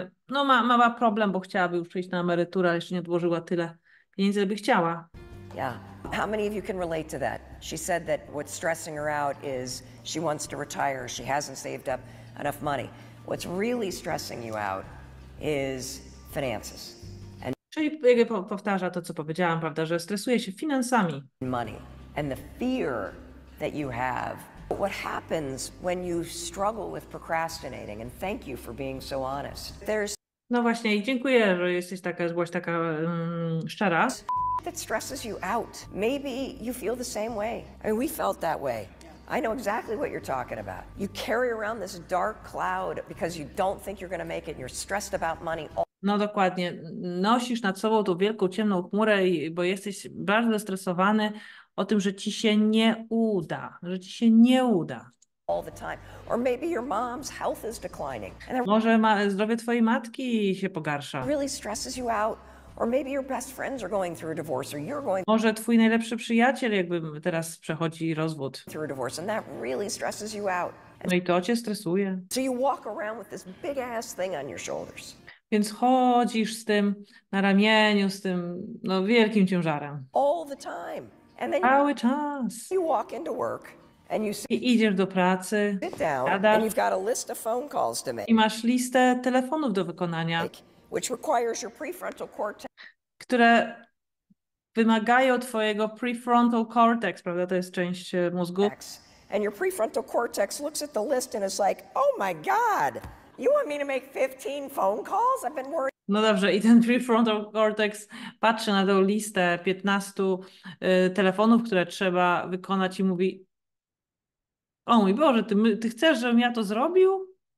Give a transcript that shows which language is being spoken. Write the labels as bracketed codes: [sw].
[pl] Ma problem, bo chciałaby już przejść na emeryturę, ale jeszcze nie odłożyła tyle pieniędzy, by chciała. [en] Yeah. How many of you can relate to that? She said that what's stressing her out is she wants to retire, she hasn't saved up enough money. What's really stressing you out is finances. [pl] And czyli jakby powtarza to, co powiedziałam, prawda, że stresuje się finansami. [en] Money and the fear that you have. But what happens when you struggle with procrastinating? And thank you for being so honest. There's [pl] no właśnie, dziękuję, że jesteś taka, byłaś taka szczera. [en] That stresses you out. Maybe you feel the same way. I mean, we felt that way. I know exactly what you're talking about. You carry around this dark cloud because you don't think you're going to make it. And you're stressed about money. [pl] No dokładnie. Nosisz nad sobą tą wielką ciemną chmurę, bo jesteś bardzo stresowany o tym, że ci się nie uda, że ci się nie uda. [en] All the time. Or maybe your mom's health is declining. [pl] Może zdrowie twojej matki się pogarsza. [en] Really stresses you out. Or maybe your best friends are going through a divorce, or you're going. [pl] Może twój najlepszy przyjaciel jakby teraz przechodzi rozwód. [en] Through a divorce, and that really stresses you out. [pl] No i to cię stresuje. [en] So you walk around with this big ass thing on your shoulders. [pl] Więc chodzisz z tym na ramieniu, z tym no wielkim ciężarem. [en] All the time, and then. [pl] Cały czas. [en] You walk into work, and you. [pl] I idziesz do pracy. [en] Sit down, [pl] siadasz, [en] and you've got a list of phone calls to make. [pl] I masz listę telefonów do wykonania. [en] Which requires your prefrontal cortex. [pl] Które wymagają twojego prefrontal cortex, prawda? To jest część mózgu. [en] And your prefrontal cortex looks at the list and is like, oh my god, you want me to make 15 phone calls? I've been worried. [pl] No dobrze, i ten prefrontal cortex patrzy na tę listę 15 telefonów, które trzeba wykonać i mówi, o mój Boże, ty chcesz, żebym ja to zrobił?